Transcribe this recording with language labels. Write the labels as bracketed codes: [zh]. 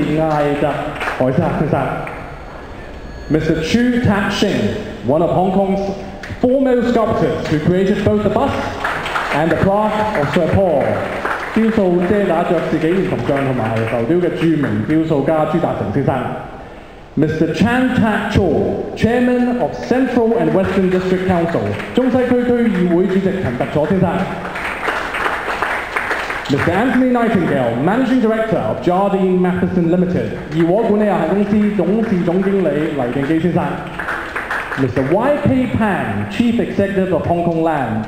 [zh] 海星克家族成員兼怡和管理有限公司董事艾德海星克先生。 [en] Mr. Chu Tap Shing, one of Hong Kong's foremost sculptors who created both the bust and the plaque of Sir Paul. [zh] 雕塑遮打爵士紀念銅像和浮雕的著名雕塑家朱達成先生。 [en] Mr. Chan Tak Chor, Chairman of Central and Western District Council, [zh] 中西區區議會主席陳特佐先生。 [en] Mr. Anthony Nightingale, Managing Director of Jardine Matheson Limited, [zh] 怡和管理有限公司董事總經理黎定基先生。 [en] Mr. Y.K. Pan, Chief Executive of Hongkong Land,